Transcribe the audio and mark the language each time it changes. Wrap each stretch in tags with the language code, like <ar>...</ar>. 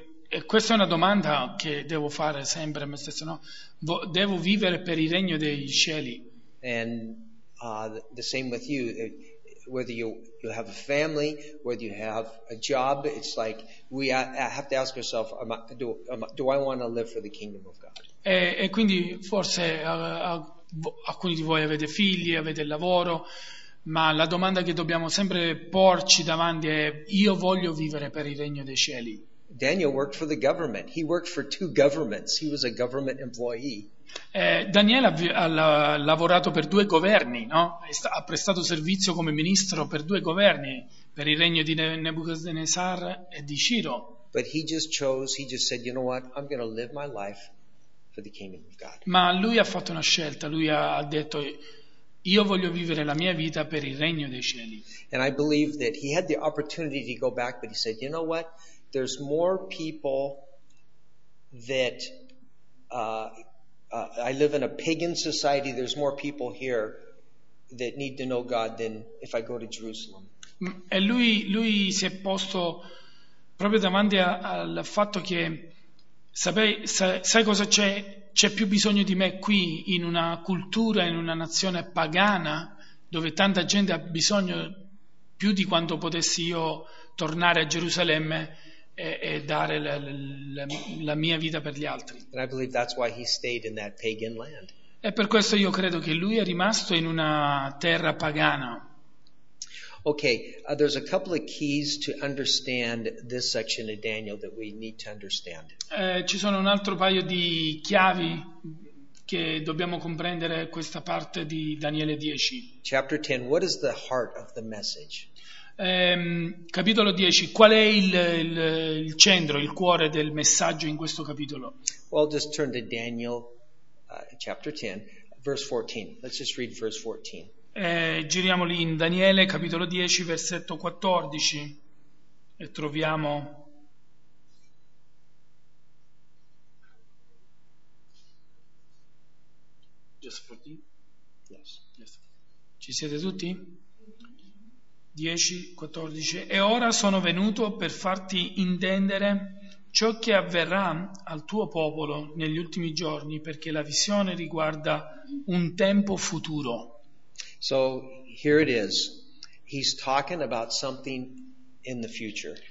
<it>E questa è una domanda che devo fare sempre a me stesso, no? Devo vivere per il regno dei cieli.</it> <en>And the same with you, whether you have a family, whether you have a job, it's like we have to ask ourselves, do I want to live for the kingdom of God?</en> <it>E quindi forse alcuni di voi avete figli, avete il lavoro, ma la domanda che dobbiamo sempre porci davanti è: io voglio vivere per il regno dei cieli.</it> <en>Daniel worked for the government. He worked for 2 governments. He was a government employee.</en> <it>Daniele ha lavorato per due governi, no? Ha prestato servizio come ministro per due governi, per il regno di Nebuchadnezzar e di Ciro.</it> <en>But he just chose, he just said, you know what, I'm going to live my life for the kingdom of God.</en> <it>Ma lui ha fatto una scelta, lui ha detto, io voglio vivere la mia vita per il regno dei cieli.</it> <en>And I believe that he had the opportunity to go back, but he said, you know what, there's more people that I live in a pagan society, there's more people here that need to know God than if I go to Jerusalem.</en> <it>E lui si è posto proprio davanti al fatto che sai cosa c'è? C'è più bisogno di me qui in una cultura, in una nazione pagana dove tanta gente ha bisogno più di quanto potessi io tornare a Gerusalemme e dare la mia vita per gli altri.</it> <en>And I believe that's why he stayed in that pagan land.</en> <it>E per questo io credo che lui è rimasto in una terra pagana.</it> <en>Okay, there's a couple of keys to understand this section of Daniel that we need to understand.</en> <it>Ci sono un altro paio di chiavi che dobbiamo comprendere questa parte di Daniele 10.</it> <en>Chapter 10, what is the heart of the message?</en> <it>Capitolo 10, qual è il centro, il cuore del messaggio in questo capitolo?</it> <en>Well, just turn to Daniel chapter 10, verse 14. Let's just read verse 14.</en> <it>Giriamo lì in Daniele capitolo 10 versetto 14 e troviamo</it> <en>just 14? Yes. Yes.</en> <it>Ci siete tutti? 10, 14. E ora sono venuto per farti intendere ciò che avverrà al tuo popolo negli ultimi giorni, perché la visione riguarda un tempo futuro.</it> <en>So here it is. He's talking about something in the future.</en>